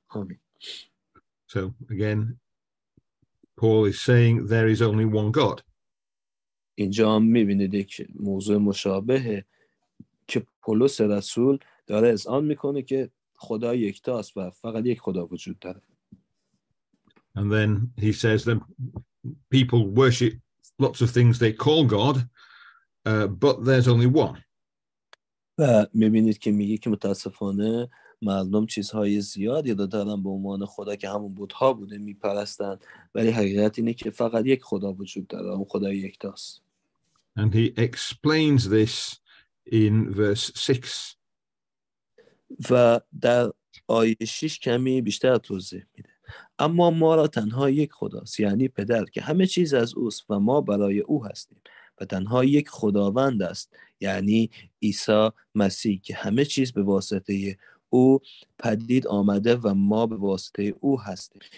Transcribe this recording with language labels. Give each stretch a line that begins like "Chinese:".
Persian: آمین.
English: So again Paul is saying there is only one God.
Persian: اینجا می‌بینید که موضوع مشابهه که پولس رسول داره اذعان می‌کنه که خدا یکتاست و فقط یک خدا وجود داره.
English: And then he says that people worship lots of things they call God, but there's only one.
Persian: و می‌بینید که میگه که متاسفانه مردم چیزهای زیادی رو دارن به عنوان خدا که همون بت‌ها بوده می‌پرستن ولی حقیقت اینه که فقط یک خدا وجود داره اون خدای یکتاست.
English: And he explains this in verse 6.
Persian: و در آیه 6 کمی بیشتر توضیح میده. اما ما را تنها یک خداست یعنی پدر که همه چیز از اوست و ما برای او هستیم و تنها یک خداوند است یعنی عیسی مسیح که همه چیز به واسطه او پدید آمده و ما به واسطه او هستیم.